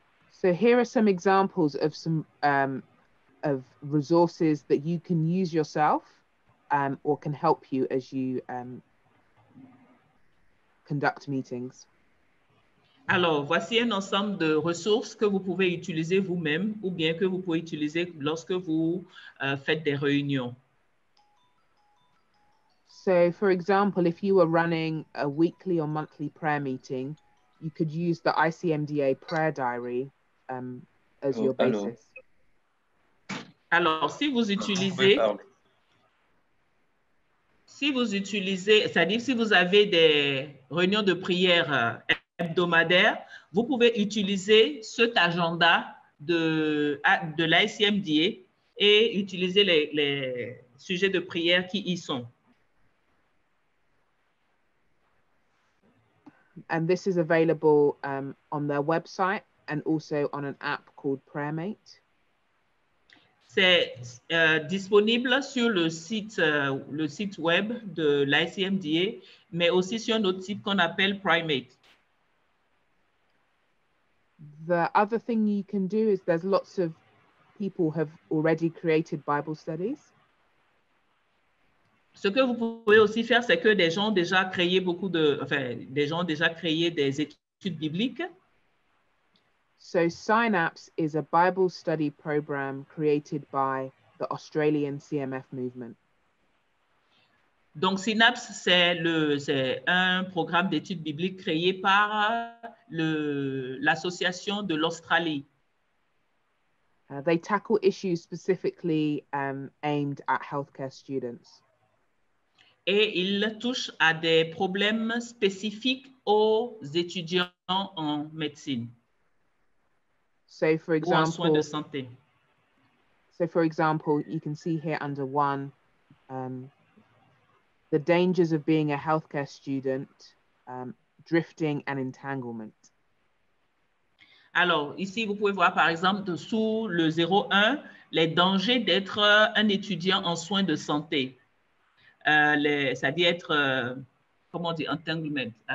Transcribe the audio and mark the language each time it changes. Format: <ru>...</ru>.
<en>So here are some examples of some resources that you can use yourself or can help you as you conduct meetings.</en> <fr>Alors, voici un ensemble de ressources que vous pouvez utiliser vous-même ou bien que vous pouvez utiliser lorsque vous faites des réunions.</fr> <en>So, for example, if you were running a weekly or monthly prayer meeting, you could use the ICMDA prayer diary as your basis.</en> <fr>Alors, si vous utilisez, c'est-à-dire si vous avez des réunions de prière hebdomadaires, vous pouvez utiliser cet agenda de l'ICMDA et utiliser les sujets de prière qui y sont.</fr> <en>And this is available on their website and also on an app called PrayerMate.</en> <fr>C'est disponible sur le site web de l'ICMDA, mais aussi sur un autre site qu'on appelle PrayerMate.</fr> <en>The other thing you can do is there's lots of people have already created Bible studies.</en> <fr>Ce que vous pouvez aussi faire, c'est que des gens ont déjà créé des études bibliques.</fr> <en>So Synapse is a Bible study program created by the Australian CMF movement.</en> <fr>Donc, Synapse, c'est un programme d'études bibliques créé par l'association de l'Australie.</fr> <en>They tackle issues specifically aimed at healthcare students.</en> <fr>Et ils touchent à des problèmes spécifiques aux étudiants en médecine.</fr> <en>So, for example,</en> <fr>ou en soins de santé.</fr> <en>So, for example, you can see here under one, the dangers of being a healthcare student, drifting and entanglement.</en> <fr>Alors, ici, vous pouvez voir, par exemple, sous le 01, les dangers d'être un étudiant en soins de santé. C'est-à-dire être, comment on dit, entanglement.</fr>